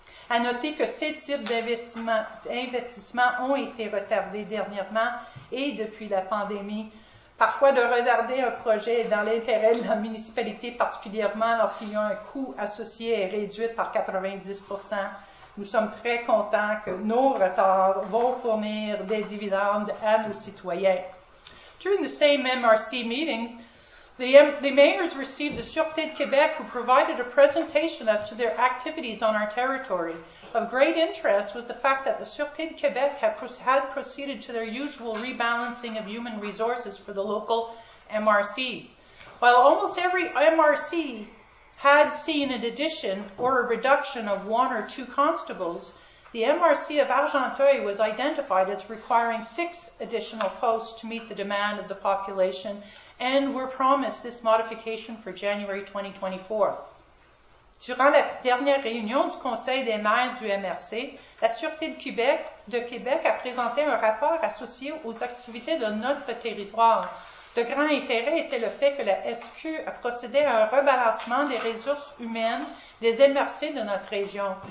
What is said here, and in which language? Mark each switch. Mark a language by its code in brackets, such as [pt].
[fr] À noter que ces types d'investissements ont été retardés dernièrement et depuis la pandémie. Parfois, de retarder un projet dans l'intérêt de la municipalité, particulièrement lorsqu'il y a un coût associé et réduit par 90%. Nous sommes très contents que nos retards vont fournir des dividendes à nos citoyens. [en] During the same MRC meetings, the mayors received the Sûreté de Québec, who provided a presentation as to their activities on our territory. Of great interest was the fact that the Sûreté de Québec had proceeded to their usual rebalancing of human resources for the local MRCs. While almost every MRC had seen an addition or a reduction of one or two constables, the MRC of Argenteuil was identified as requiring 6 additional posts to meet the demand of the population and were promised this modification for January 2024. [fr] Durant la dernière réunion du Conseil des maires du MRC, la Sûreté de Québec a présenté un rapport associé aux activités de notre territoire. De grand intérêt était le fait que la SQ a procédé à un rebalancement des ressources humaines des MRC de notre région.